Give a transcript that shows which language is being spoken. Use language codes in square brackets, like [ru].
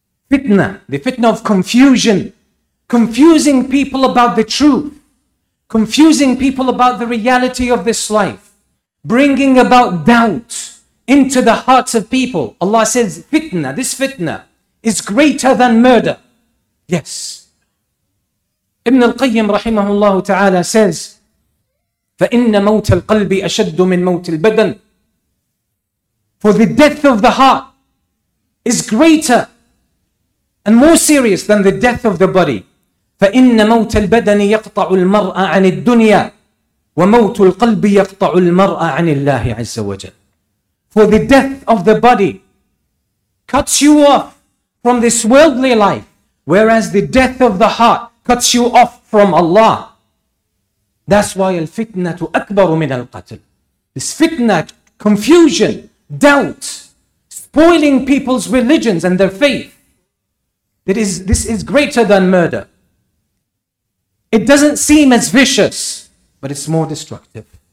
[en] Fitna, the fitna of confusion, confusing people about the truth, confusing people about the reality of this life, bringing about doubt into the hearts of people. Allah says, fitna, this fitna is greater than murder. Yes. Ibn al-Qayyim rahimahullah ta'ala says, [ar] فَإِنَّ مَوْتَ الْقَلْبِ أَشَدُّ مِنْ مَوْتِ الْبَدَنِ. [en] For the death of the heart is greater and more serious than the death of the body. [ar] فَإِنَّ مَوْتَ الْبَدَنِ يَقْطَعُ الْمَرْأَ عَنِ الدُّنْيَا. وَمَوْتُ الْقَلْبِ يَقْطَعُ الْمَرْأَ عَنِ اللَّهِ عَزَّ وَجَلَّ. [en] For the death of the body cuts you off from this worldly life, whereas the death of the heart cuts you off from Allah. That's why [ar] الْفِتْنَةُ أَكْبَرُ مِنَ الْقَتْلِ. [en] This fitna, confusion, doubt, spoiling people's religions and their faith, this is greater than murder. It doesn't seem as vicious, but it's more destructive.